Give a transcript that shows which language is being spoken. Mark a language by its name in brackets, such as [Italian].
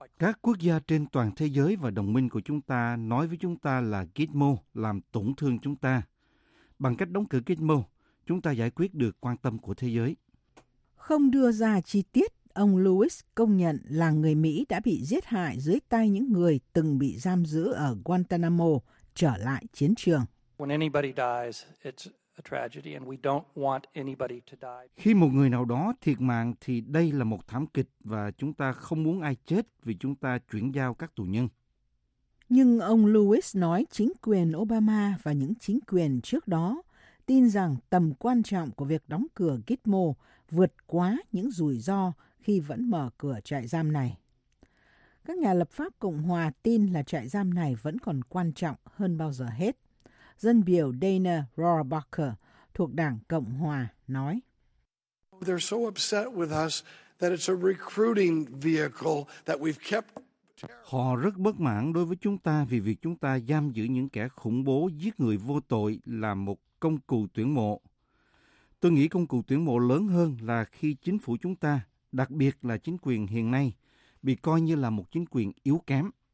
[Vietnamese] Các quốc gia trên toàn thế giới và đồng minh của chúng ta nói với chúng ta là Gitmo làm tổn thương chúng ta. Bằng cách đóng cửa Gitmo, chúng ta giải quyết được quan tâm của thế giới. Không đưa ra chi tiết, ông Lewis công nhận là người Mỹ đã bị giết hại dưới tay những người từng bị giam giữ ở Guantanamo trở lại chiến trường. [English] When anybody dies, it's a tragedy and we don't want anybody to die. [Vietnamese] Khi một người nào đó thiệt mạng thì đây là một thảm kịch và chúng ta không muốn ai chết vì chúng ta chuyển giao các tù nhân. Nhưng ông Lewis nói chính quyền Obama và những chính quyền trước đó tin rằng tầm quan trọng của việc đóng cửa Gitmo vượt quá những rủi ro khi vẫn mở cửa trại giam này. Các nhà lập pháp Cộng hòa tin là trại giam này vẫn còn quan trọng hơn bao giờ hết. Dân biểu Dana Rohrabacher thuộc Đảng Cộng hòa nói: [English] They're so upset with us that it's a recruiting vehicle that we've kept. [Vietnamese] Họ rất bất mãn đối với chúng ta vì việc chúng ta giam giữ những kẻ khủng bố giết người vô tội là một công cụ tuyển mộ. Tôi nghĩ công cụ tuyển mộ lớn hơn là khi chính phủ chúng ta, đặc biệt là chính quyền hiện nay, bị coi như là một chính quyền yếu kém.